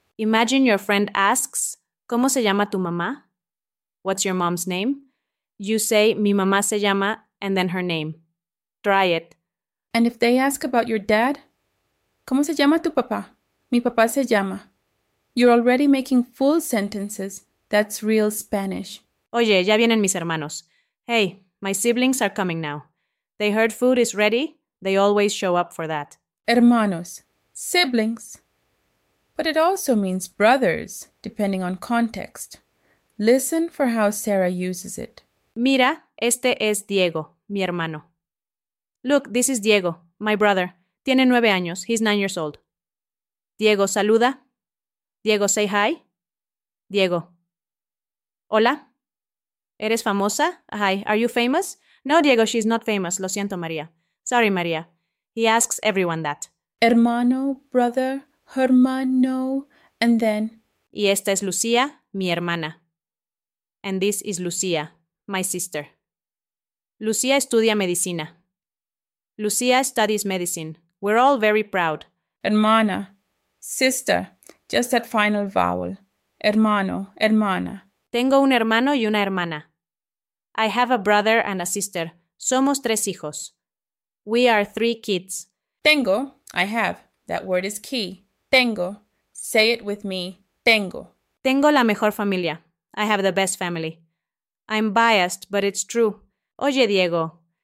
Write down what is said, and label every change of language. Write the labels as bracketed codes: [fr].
[en] Imagine your friend asks, [es] ¿cómo se llama tu mamá? [en] What's your mom's name? You say, [es] mi mamá se llama, [en] and then her name. Try it. And if they ask about your dad, [es] ¿cómo se llama tu papá? Mi papá se llama. [en] You're already making full sentences. That's real Spanish. [es] Oye, ya vienen mis hermanos. [en] Hey, my siblings are coming now. They heard food is ready. They always show up for that. [es] Hermanos. [en] Siblings. But it also means brothers, depending on context. Listen for how Sarah uses it. [es] Mira, este es Diego, mi hermano. [en] Look, this is Diego, my brother. [es] Tiene 9 años. [en] He's 9 years old. [es] Diego, saluda. [en] Diego, say hi. Diego. [es] Hola. ¿Eres famosa? [en] Hi. Are you famous? No, Diego, she's not famous. [es] Lo siento, María. [en] Sorry, María. He asks everyone that. Hermano, brother, hermano, and then... [es] Y esta es Lucía, mi hermana. [en] And this is Lucía, my sister. [es] Lucía estudia medicina. [en] Lucía studies medicine. We're all very proud. Hermana. Sister. Just that final vowel. Hermano. Hermana. [es] Tengo un hermano y una hermana. [en] I have a brother and a sister. [es] Somos 3 hijos. [en] We are 3 kids. Tengo. I have. That word is key. Tengo. Say it with me. Tengo. [es] Tengo la mejor familia. [en] I have the best family. I'm biased, but it's true. [es] Oye, Diego.